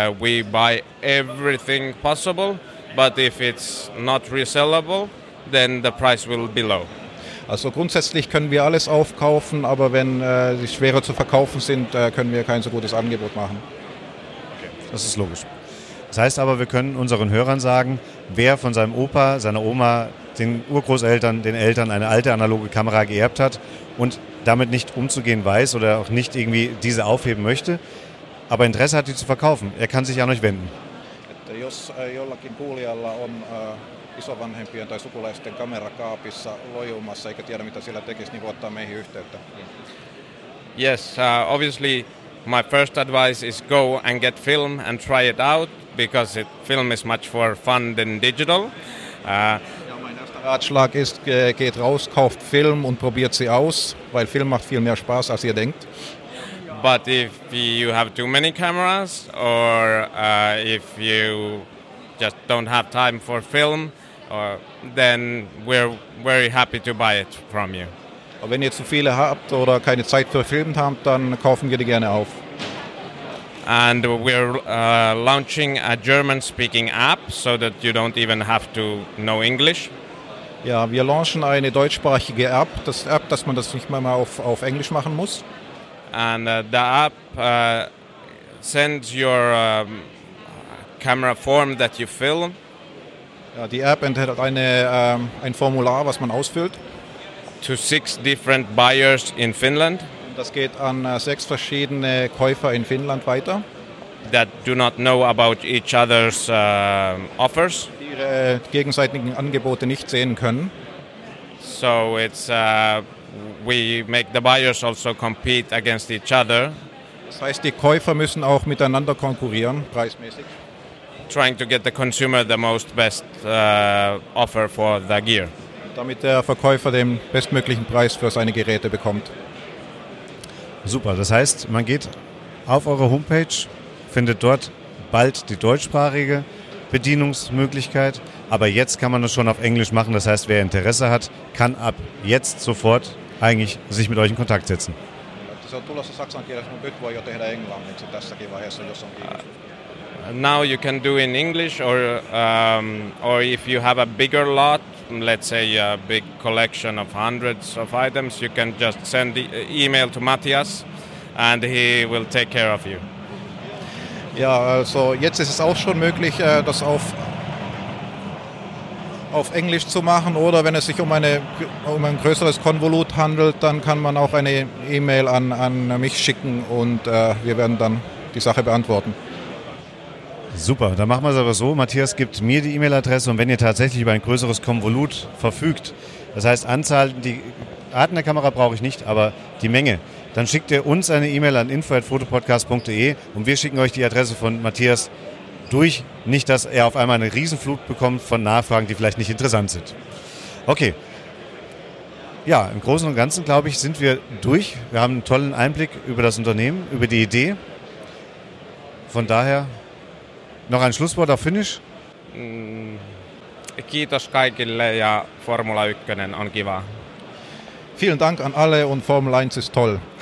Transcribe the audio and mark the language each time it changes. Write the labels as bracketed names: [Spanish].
[English] We buy everything possible, but if it's not resellable, then the price will be low. [German] Also grundsätzlich können wir alles aufkaufen, aber wenn sie schwerer zu verkaufen sind, können wir kein so gutes Angebot machen. Okay. Das ist logisch. Das heißt aber, wir können unseren Hörern sagen, wer von seinem Opa, seiner Oma, den Urgroßeltern, den Eltern eine alte analoge Kamera geerbt hat und damit nicht umzugehen weiß oder auch nicht irgendwie diese aufheben möchte, aber Interesse hat, die zu verkaufen. Er kann sich an euch wenden. [Finnish] Jos jollakin kuulijalla on isovanhempien tai sukulaisten kamera kaapissa lojumassa eikä tiedä, mitä siellä tekisi, niin voittaa meihin yhteyttä. [English] Yes, obviously my first advice is go and get film and try it out, because film is much more fun than digital. [German] Ratschlag ist, geht raus, kauft Film und probiert sie aus, weil Film macht viel mehr Spaß, als ihr denkt. [English] But if you have too many cameras or if you just don't have time for film, then we're very happy to buy it from you. [German] Aber wenn ihr zu viele habt oder keine Zeit für Film habt, dann kaufen wir die gerne auf. [English] And we're launching a German-speaking app, so that you don't even have to know English. [German] Ja, wir launchen eine deutschsprachige App, das App, dass man das nicht mehr auf Englisch machen muss. [English] And the app sends your camera form that you fill. [German] Ja, die App enthält ein Formular, was man ausfüllt. [English] To 6 different buyers in Finland. [German] Das geht an 6 verschiedene Käufer in Finnland weiter. [English] That do not know about each other's offers. [German] Ihre gegenseitigen Angebote nicht sehen können. [English] So it's we make the buyers also compete against each other. [German] Das heißt, die Käufer müssen auch miteinander konkurrieren preismäßig. [English] Trying to get the consumer the most best offer for the gear. [German] Damit der Verkäufer den bestmöglichen Preis für seine Geräte bekommt. Super, das heißt, man geht auf eure Homepage, findet dort bald die deutschsprachige Bedienungsmöglichkeit, aber jetzt kann man das schon auf Englisch machen. Das heißt, wer Interesse hat, kann ab jetzt sofort eigentlich sich mit euch in Kontakt setzen. [Finnish] Se on tulossa saksankielessä, mutta nyt voi jo tehdä englanniksi tässäkin vaiheessa, jos on kiinnostunut. [English] Now you can do in English or if you have a bigger lot, let's say a big collection of hundreds of items, you can just send the email to Matthias and he will take care of you. [German] Ja, also jetzt ist es auch schon möglich, das auf Englisch zu machen, oder wenn es sich um ein größeres Konvolut handelt, dann kann man auch eine E-Mail an mich schicken und wir werden dann die Sache beantworten. Super, dann machen wir es aber so, Matthias gibt mir die E-Mail-Adresse und wenn ihr tatsächlich über ein größeres Konvolut verfügt, das heißt Anzahl, die Arten der Kamera brauche ich nicht, aber die Menge, dann schickt ihr uns eine E-Mail an info@fotopodcast.de und wir schicken euch die Adresse von Matthias durch. Nicht, dass er auf einmal eine Riesenflut bekommt von Nachfragen, die vielleicht nicht interessant sind. Okay. Ja, im Großen und Ganzen, glaube ich, sind wir durch. Wir haben einen tollen Einblick über das Unternehmen, über die Idee. Von daher noch ein Schlusswort auf Finnisch. [Finnish] Kiitos kaikille ja Formula 1 on kiva. [German] Vielen Dank an alle und Formel 1 ist toll.